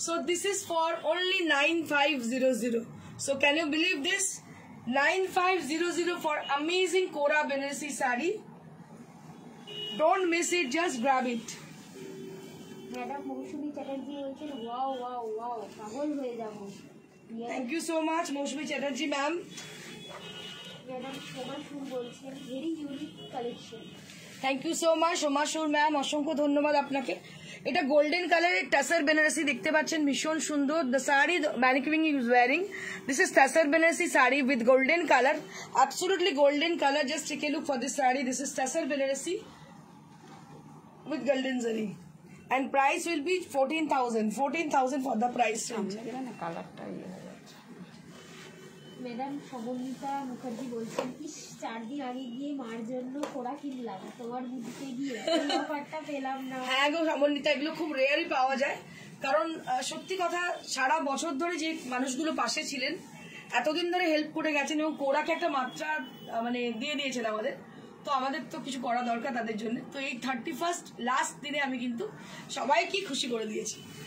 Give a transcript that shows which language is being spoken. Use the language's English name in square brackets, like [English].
[English] So this is for only 9500. So can you believe this? 9500 for amazing Kora Benarasi sari. Don't miss it. Just grab it. [Bangla] Madam, Moushumi Chatterjee বলছেন, wow, পাগল হয়ে যাবো. Thank you so much, Moushumi Chatterjee ma'am. [English] Madam, Shomashu বলছেন, very unique collection. Thank you so much সোমাশুর ma'am [Bangla] অসংখ্য ধন্যবাদ আপনাকে এটা golden কালারের টাসার বেনারসি দেখতে পাচ্ছেন ভীষণ সুন্দর [English] the sari mannequin is wearing this is tussar Banarasi sari with golden colour absolutely golden colour just take a look for this sari this is tussar Banarasi with golden zari and price will be 14,000 for the price [Bangla] কালারটা ম্যাডাম শুভমিতা মুখার্জি বলছেন কি চার দিন আগে গিয়ে মার জন্য কোড়া কিনলাম তোমার বুদ্ধিতে গিয়ে ব্যাপারটা পেলাম না হ্যাঁ গো শুভমিতা এগুলো খুব রেয়ারই পাওয়া যায় কারণ সত্যি কথা সারা বছর ধরে যে মানুষগুলো পাশে ছিলেন এতদিন ধরে হেল্প করে গেছেন এবং কোড়াকে একটা মাত্রা মানে দিয়ে দিয়েছেন আমাদের তো আমাদের তো কিছু করা দরকার তাদের জন্য তো এই 31st লাস্ট দিনে আমি কিন্তু সবাইকে খুশি করে দিয়েছি